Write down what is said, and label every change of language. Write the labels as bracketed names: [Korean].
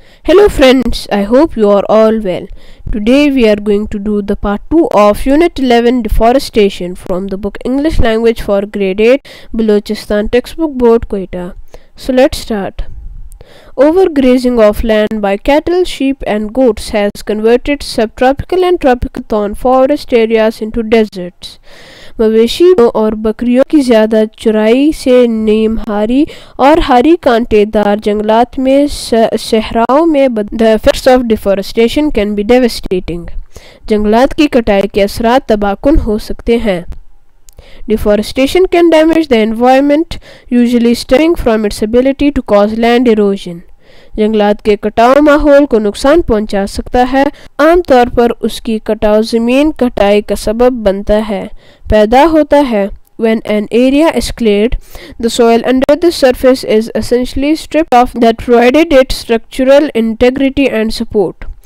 [English] Hello friends, I hope you are all well. Today we are going to do the part 2 of unit 11 deforestation from the book English language for grade 8 Balochistan textbook board Quetta. So let start. Overgrazing of land by cattle, sheep and goats has converted subtropical and tropical thorn forest areas into deserts. [Urdu] مویشیوں اور بکریوں کی زیادہ چرائی سے نیم ہاری اور ہاری کانٹے دار جنگلات میں صحراؤں میں [English] The effects of deforestation can be devastating. [Urdu] جنگلات کی کٹائی کے اثرات تباہ کن ہو سکتے ہیں. [English] Deforestation can damage the environment, usually stemming from its ability to cause land erosion. [Urdu] جنگلات کے کٹاؤ ماحول کو نقصان پہنچا سکتا ہے. عام طور پر اس کی کٹاؤ زمین کٹائی کا سبب بنتا ہے پیدا ہوتا ہے. [English] When an area is cleared, the soil under the surface is essentially stripped off that provided it structural integrity and support.